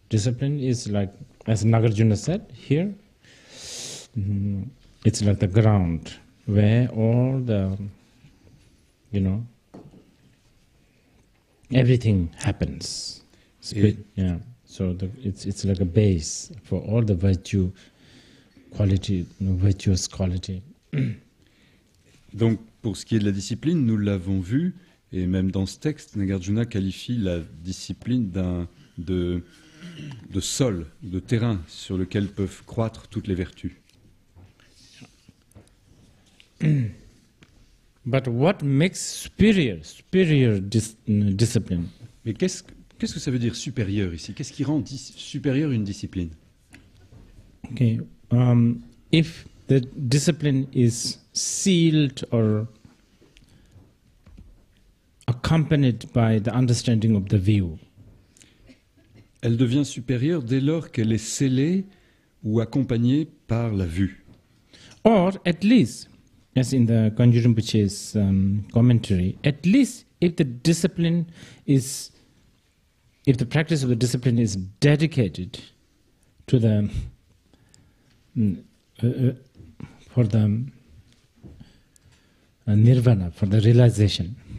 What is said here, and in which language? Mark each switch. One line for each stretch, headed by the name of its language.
English: Discipline is like, as Nagarjuna said here, it's like the ground where all the, you know, everything happens. It's like a base for all the virtue quality, virtuous quality.
French: Donc, pour ce qui est de la discipline, nous l'avons vu, et même dans ce texte, Nagarjuna qualifie la discipline de sol, de terrain sur lequel peuvent croître toutes les vertus.
English: But what makes superior discipline?
French: Mais qu'est-ce que ça veut dire supérieur ici? Qu'est-ce qui rend supérieur une discipline?
English: Okay, if the discipline is sealed or accompanied by the understanding of the view.
French: Elle devient supérieure dès lors qu'elle est scellée ou accompagnée par la vue.
English: Or at least, as in the Kanjuri Rinpoche's commentary, at least if the discipline is, if the practice of the discipline is dedicated to the for the nirvana, for the realization.